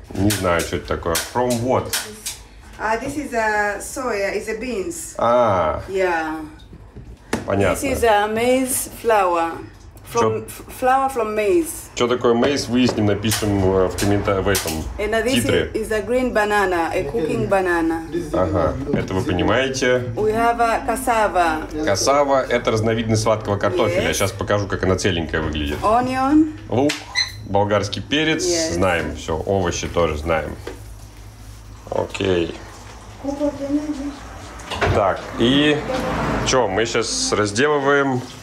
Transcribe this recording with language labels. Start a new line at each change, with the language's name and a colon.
Russian: Не знаю, что это такое.
English: From what? This is a soya, it's a beans. А. Yeah.
Russian: Понятно.
English: This is a maize flour. Flour from maize.
Russian: Что такое maize, выясним, напишем в комментариях в этом титре.
English: And this is a green banana, a cooking banana.
Russian: Ага, это вы понимаете.
English: We have a cassava.
Russian: Cassava – это разновидность сладкого картофеля.
English: Yes.
Russian: Сейчас покажу, как она целенькая выглядит.
English: Onion.
Russian: Лук, болгарский перец,
English: yes.
Russian: Знаем все. Овощи тоже знаем. Окей. Так, и что, мы сейчас разделываем...